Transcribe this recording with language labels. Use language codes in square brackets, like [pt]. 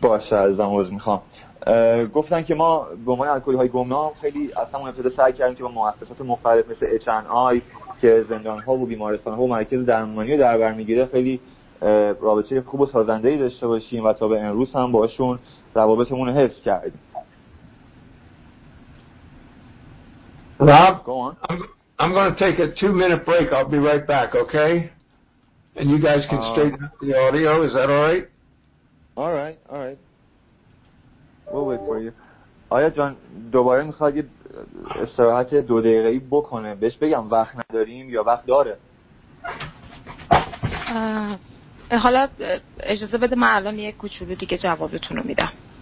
[fa] باشه ازم عوض میخوام گفتن که ما به عنوان الکلی های گمنام خیلی اصلا همون ابتدا سعی کردیم که با مؤسسات مختلف مثل H&I که زندان ها و بیمارستان ها و مرکز درمانی رو در بر میگیره خیلی رابطه خوب و سازنده ای داشته باشیم و تا به امروز هم باشون روابطمون رو حفظ کردیم [en] Rob, I'm going to take a 2-minute break. I'll be right back, okay? And you guys can straighten up the audio. Is that all right? All right. We'll wait for you. [fa] آیا جان دوباره میخواد یه استراحت 2 دقیقه‌ای بکنه بهش بگم وقت نداریم یا وقت داره حالا اجازه بده من الان یه کوچولو دیگه جوابتونو میدم